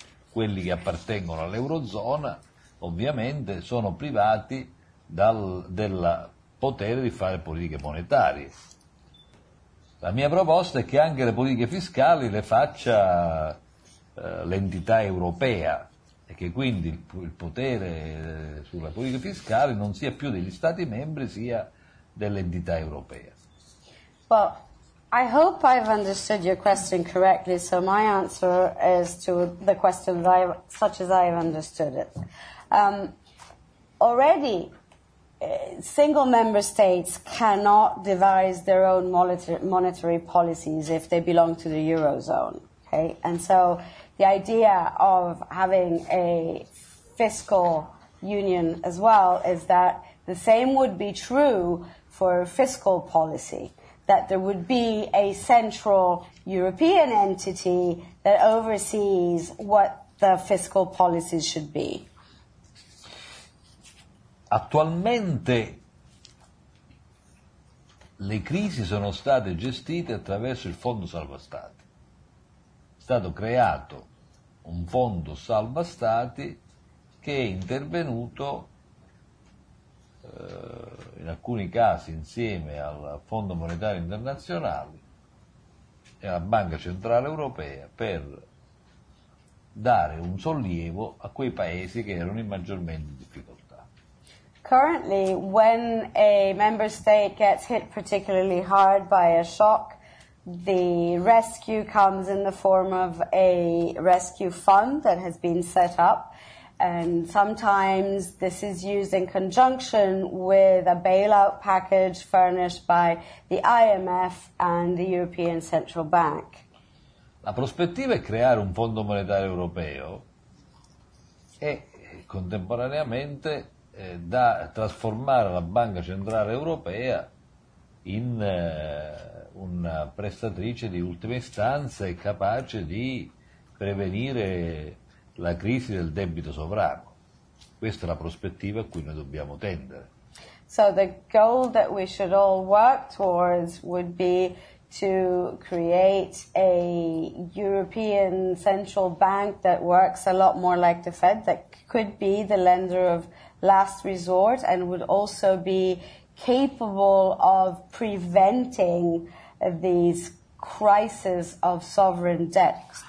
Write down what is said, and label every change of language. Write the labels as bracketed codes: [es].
[it] Quelli che appartengono all'Eurozona ovviamente sono privati del potere di fare politiche monetarie. La mia proposta è che anche le politiche fiscali le faccia l'entità europea e che quindi il potere sulla politica fiscale non sia più degli stati membri, sia dell'entità europea. [en] Well, I hope I've understood your question correctly, so my answer is to the question that I've understood it. Already single member states cannot devise their own monetary policies if they belong to the Eurozone. Okay? And so the idea of having a fiscal union as well is that the same would be true for fiscal policy, that there would be a central European entity that oversees what the fiscal policies should be. [it] Attualmente le crisi sono state gestite attraverso il Fondo Salva Stati. È stato creato un Fondo Salva Stati che è intervenuto in alcuni casi insieme al Fondo Monetario Internazionale e alla Banca Centrale Europea per dare un sollievo a quei paesi che erano maggiormente in difficoltà. [en] Currently, when a member state gets hit particularly hard by a shock, the rescue comes in the form of a rescue fund that has been set up. And sometimes this is used in conjunction with a bailout package furnished by the IMF and the European Central Bank. [it] La prospettiva è creare un fondo monetario europeo e contemporaneamente da trasformare la Banca Centrale Europea in una prestatrice di ultima istanza e capace di prevenire la crisi del debito sovrano. Questa è la prospettiva a cui noi dobbiamo tendere. [en] So the goal that we should all work towards would be to create a European Central Bank that works a lot more like the Fed, that could be the lender of last resort and would also be capable of preventing these crises of sovereign debt.